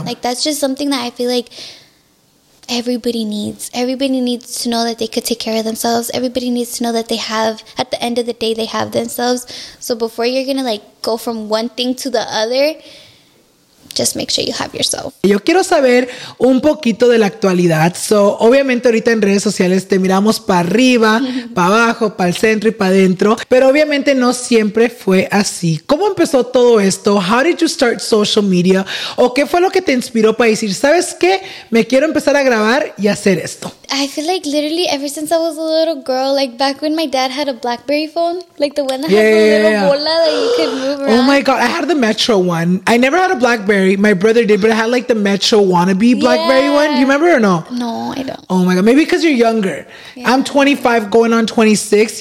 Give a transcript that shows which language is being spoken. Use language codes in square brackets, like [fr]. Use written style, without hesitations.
[en] Like, that's just something that I feel like everybody needs. Everybody needs to know that they could take care of themselves. Everybody needs to know that they have, at the end of the day, they have themselves. So before you're gonna like go from one thing to the other, just make sure you have yourself. [es] Yo quiero saber un poquito de la actualidad. So obviamente ahorita en redes sociales te miramos para arriba, para abajo, para el centro y para adentro. Pero obviamente no siempre fue así. ¿Cómo empezó todo esto? [en] How did you start social media? [es] ¿O qué fue lo que te inspiró para decir, sabes qué? Me quiero empezar a grabar y hacer esto. [en] I feel like literally ever since I was a little girl, like back when my dad had a BlackBerry phone, like the one that had a little bola that you could move around. Oh my God, I had the Metro one. I never had a BlackBerry. My brother did, but I had like the Metro wannabe BlackBerry one. You remember or no? No, I don't. Oh my God, maybe because you're younger. Yeah. I'm 25 going on 26.